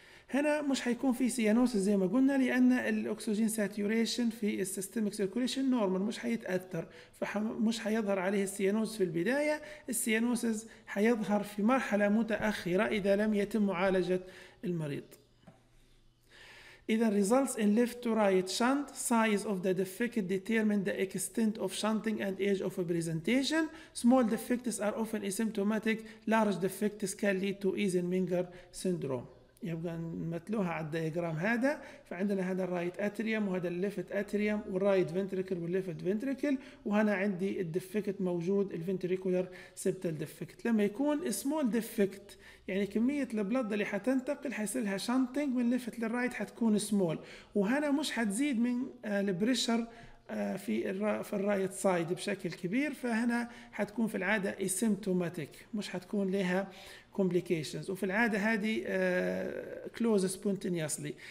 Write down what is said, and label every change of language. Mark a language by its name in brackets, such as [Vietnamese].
[Arabic] هنا مش حيكون في سيانوس زي ما قلنا لأن الأكسجين ساتوريشن في السيستميك سيركوليشن نورمال مش حيتأثر، فمش حيظهر عليه السيانوس في البداية. السيانوس حيظهر في مرحلة متأخرة إذا لم يتم معالجة المريض. [English] إذا results in left to right shunt, size of the defect determine the extent of shunting and age of presentation. Small defects are often asymptomatic, large defects can lead to Eisenminger syndrome. [Arabic] يبقى نمثلوها على الدياجرام هذا، فعندنا هذا الرايت اتريوم وهذا الليفت اتريوم والرايت فنتريكل والليفت فنتريكل، وهنا عندي الدفكت موجود الفنتريكولر سبتال دفكت. لما يكون small defect يعني كمية البلد اللي حتنتقل حيصير لها شانتينج من لفت للرايت حتكون سمول، وهنا مش حتزيد من البريشر في الرايت سايد بشكل كبير، فهنا حتكون في العادة اسيمتوماتيك مش حتكون لها كومبليكيشنز، وفي العادة هذه كلوز سبونتينيوسلي.